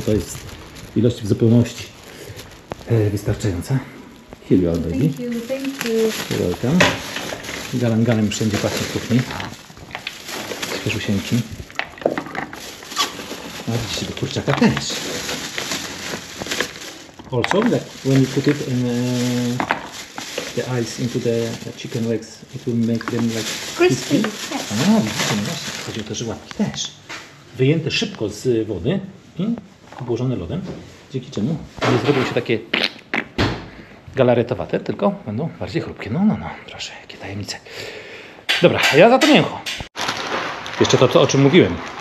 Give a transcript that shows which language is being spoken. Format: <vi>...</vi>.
<pl>To jest ilość w zupełności wystarczająca.</pl> <en>Here you are, baby. Thank you. You're welcome.</en> <pl>Galangalem wszędzie pachnie w kuchni. Świeże usieńki. A widzicie, do kurczaka też.</pl> <en>Also, that when you put it in the ice into the chicken legs, it will make them like crispy. Crispy. Yes.</en> <pl>A, właśnie, chodzi o to, że łapki też. Wyjęte szybko z wody i obłożone lodem, dzięki czemu nie zrobią się takie galaretowate, tylko będą bardziej chrupkie. No, proszę, jakie tajemnice. Dobra, ja za to mięcho. Jeszcze to, o czym mówiłem.</pl>